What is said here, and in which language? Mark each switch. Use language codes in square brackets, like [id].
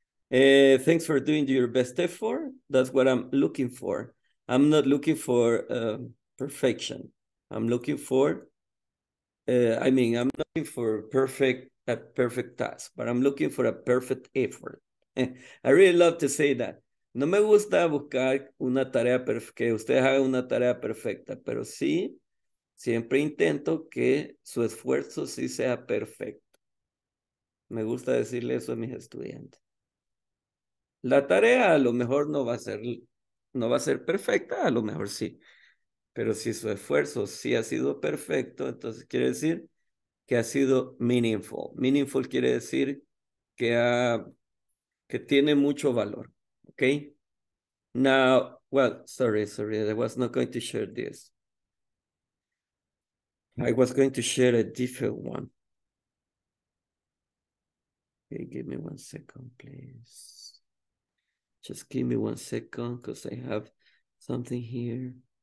[en] Thanks for doing your best effort. That's what I'm looking for. I'm not looking for perfection. I'm looking for, I'm looking for a perfect task, but I'm looking for a perfect effort. I really love to say that. [es] No me gusta buscar una tarea que ustedes hagan una tarea perfecta, pero sí, siempre intento que su esfuerzo sí sea perfecto. Me gusta decirle eso a mis estudiantes. La tarea a lo mejor no va a ser perfecta, a lo mejor sí. Pero si su esfuerzo sí ha sido perfecto, entonces quiere decir que ha sido meaningful. Meaningful quiere decir que tiene mucho valor, okay? [en] Now, well, sorry, I was not going to share this. I was going to share a different one. Okay, give me one second, please. Just give me one second, because I have something here.